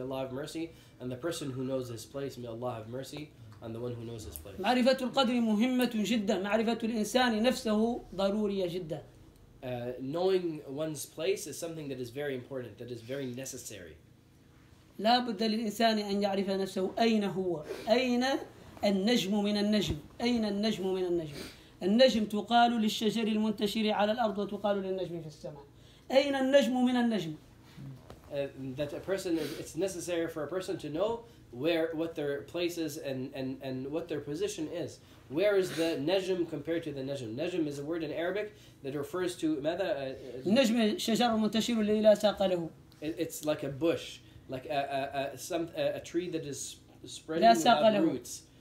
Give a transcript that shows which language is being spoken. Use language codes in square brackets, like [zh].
[en] May Allah have mercy on the person who knows his place. May Allah have mercy on the one who knows his place. [ar] معرفة القدر مهمة جدا. معرفة الإنسان نفسه ضرورية جدا. [en] Knowing one's place is something that is very important, that is very necessary. [ar] لا بد للإنسان أن يعرف نفسه أين هو أين النجم من النجم أين النجم من النجم النجم تقال للشجر المنتشر على الأرض وتقال للنجم في السماء أين النجم من النجم [en] That a person is, it's necessary for a person to know where what their place is and what their position is. Where is the najm compared to the najm? Najm is a word in Arabic that refers to [ar] ماذا? النجم شجر منتشر الذي لا ساق له. [en] It's like a bush like a tree that is spreading without roots.